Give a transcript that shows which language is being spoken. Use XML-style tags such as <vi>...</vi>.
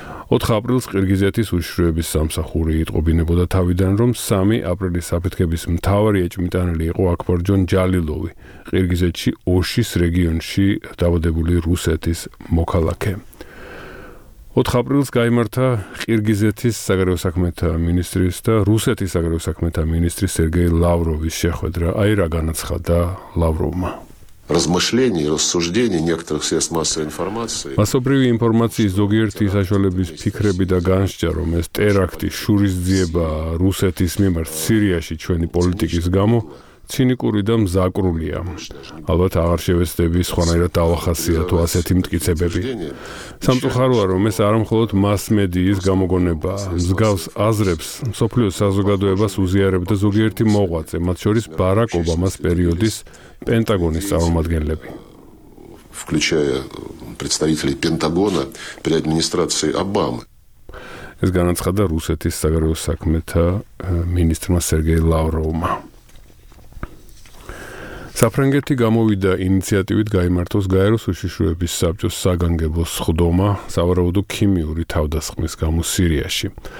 <ka>4 აპრილს ყირგიზეთის უშრუების სამსახური იტყობინებოდა თავიდან, რომ 3 აპრილის აფეთქების მთავარი ეჭვმიტანილი იყო აქბარჯონ ჯალილოვი, ყირგიზეთში ოშის რეგიონში დაბადებული რუსეთის მოქალაქე. 4 აპრილს გამართა ყირგიზეთის საგარეო საქმეთა მინისტრის და რუსეთის საგარეო საქმეთა მინისტრის სერგეი ლავროვის შეხვედრა. აი რა განაცხადა ლავროვმა.</ka> <ru>Размышления и рассуждения некоторых средств массовой информации.</ru> <ka>Масობრივი ინფორმაციის ზოგიერთი საშუალების ფიქრები და განსჯა, რომ ეს ტერაქტი შურისძიება რუსეთის მიმართ სირიაში ჩვენი პოლიტიკის გამო ცინიკური და მზაკრულია. ალბათ აღარ შევეცდები სხვანაირად დავახასიათო ასეთი მტკიცებები. სამწუხაროა, რომ ეს არ მხოლოდ მასმედიის გამოგონებაა. მსგავს აზრებს მსოფლიო საზოგადოებას უზიარებდა ზოგიერთი მოღვაწე, მათ შორის ბარაკ ობამას პერიოდის პენტაგონის წარმომადგენლები.</ka> <ru>включая представителей Пентагона при администрации Обамы.</ru> <ka>ეს განაცხადა რუსეთის საგარეო საქმეთა მინისტრმა სერგეი ლავროვმა. საფრანგეთი გამოვიდა ინიციატივით გაემართოს გაეროს უშიშროების საბჭოს საგანგებოს ხდომა, სავარაუდო ქიმიური თავდასხმის გამო სირიაში.</ka>